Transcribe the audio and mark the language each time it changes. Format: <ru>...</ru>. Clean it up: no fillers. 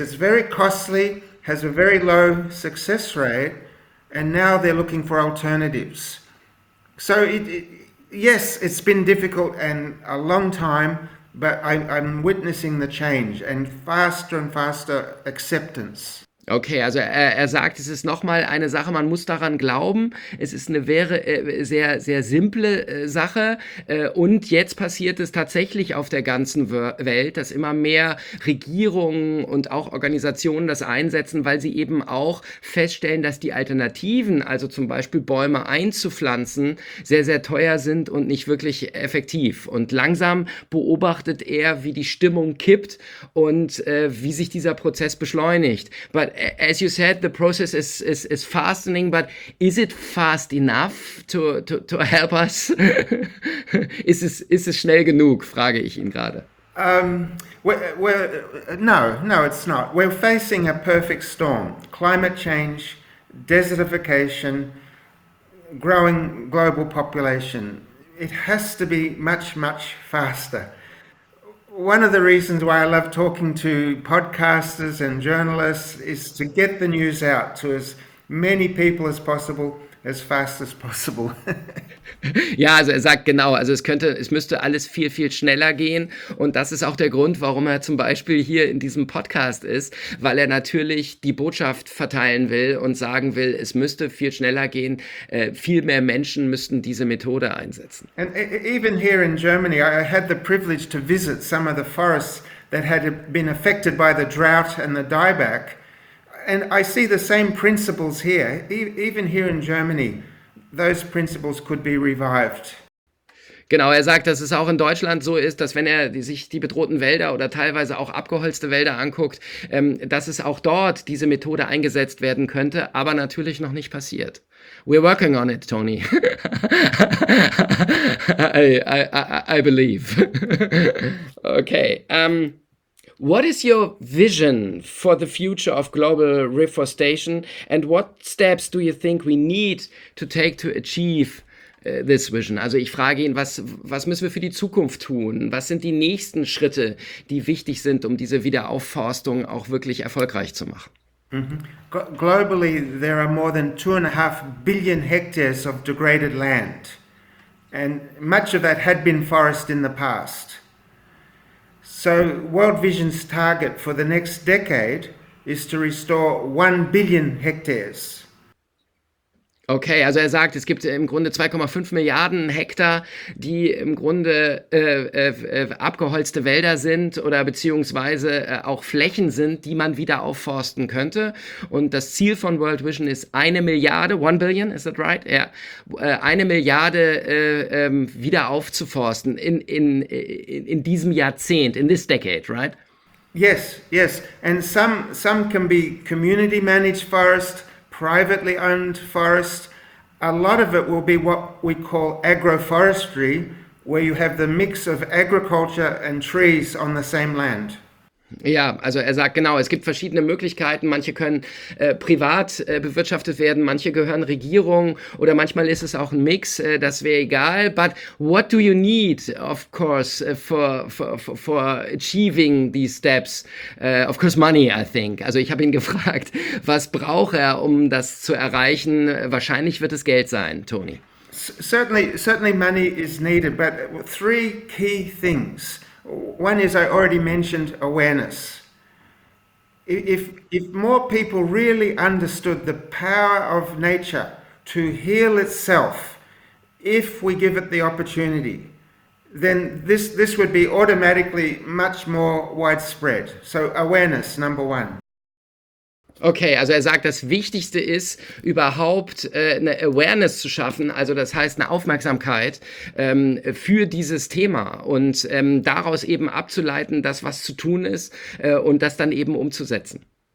<en>It's very costly, has a very low success rate, and now they're looking for alternatives. So yes, it's been difficult and a long time, but I'm witnessing the change and faster acceptance.</en> <de>Okay, also er sagt, es ist nochmal eine Sache, man muss daran glauben. Es ist eine sehr, sehr simple Sache. Und jetzt passiert es tatsächlich auf der ganzen Welt, dass immer mehr Regierungen und auch Organisationen das einsetzen, weil sie eben auch feststellen, dass die Alternativen, also zum Beispiel Bäume einzupflanzen, sehr, sehr teuer sind und nicht wirklich effektiv. Und langsam beobachtet er, wie die Stimmung kippt und wie sich dieser Prozess beschleunigt.</de> <en>But as you said, the process is fastening, but is it fast enough to help us?</en> <de>ist es schnell genug, frage ich ihn gerade.</de> <en>No, it's not. We're facing a perfect storm. Climate change, desertification, growing global population. It has to be much, much faster. One of the reasons why I love talking to podcasters and journalists is to get the news out to as many people as possible, as fast as possible.</en> <de>Ja, also er sagt genau, also es müsste alles viel, viel schneller gehen, und das ist auch der Grund, warum er zum Beispiel hier in diesem Podcast ist, weil er natürlich die Botschaft verteilen will und sagen will, es müsste viel schneller gehen, viel mehr Menschen müssten diese Methode einsetzen.</de> <en>And even here in Germany, I had the privilege to visit some of the forests that had been affected by the drought and the dieback, and I see the same principles here, even here in Germany. Those principles could be revived.</en> <de>Genau, er sagt, dass es auch in Deutschland so ist, dass wenn er sich die bedrohten Wälder oder teilweise auch abgeholzte Wälder anguckt, dass es auch dort diese Methode eingesetzt werden könnte, aber natürlich noch nicht passiert.</de> <en>We're working on it, Tony. I believe. Okay. What is your vision for the future of global reforestation, and what steps do you think we need to take to achieve this vision?</en> <de>Also ich frage ihn, was müssen wir für die Zukunft tun? Was sind die nächsten Schritte, die wichtig sind, um diese Wiederaufforstung auch wirklich erfolgreich zu machen?</de> <en>Globally, there are more than 2.5 billion hectares of degraded land. And much of that had been forest in the past. So World Vision's target for the next decade is to restore 1 billion hectares.</en> <de>Okay, also er sagt, es gibt im Grunde 2,5 Milliarden Hektar, die im Grunde abgeholzte Wälder sind oder beziehungsweise auch Flächen sind, die man wieder aufforsten könnte. Und das Ziel von World Vision ist 1 billion,</de> <en>is that right?</en> <de>Ja, 1 Milliarde wieder aufzuforsten in diesem Jahrzehnt,</de> <en>in this decade, right? Yes, yes. And some can be community managed forest, privately owned forest. A lot of it will be what we call agroforestry, where you have the mix of agriculture and trees on the same land.</en> <de>Ja, also er sagt genau, es gibt verschiedene Möglichkeiten. Manche können privat bewirtschaftet werden, manche gehören Regierung oder manchmal ist es auch ein Mix, das wäre egal.</de> <en>But what do you need, of course, for achieving these steps? Of course money, I think.</en> <de>Also ich habe ihn gefragt, was braucht er, um das zu erreichen? Wahrscheinlich wird es Geld sein, Tony.</de> <en>Certainly money is needed, but three key things. One is, I already mentioned, awareness. If more people really understood the power of nature to heal itself, if we give it the opportunity, then this would be automatically much more widespread. So awareness, number one.</en> <de>Okay, also er sagt, das Wichtigste ist, überhaupt eine Awareness zu schaffen, also das heißt eine Aufmerksamkeit für dieses Thema und daraus eben abzuleiten, dass was zu tun ist und das dann eben umzusetzen.</de>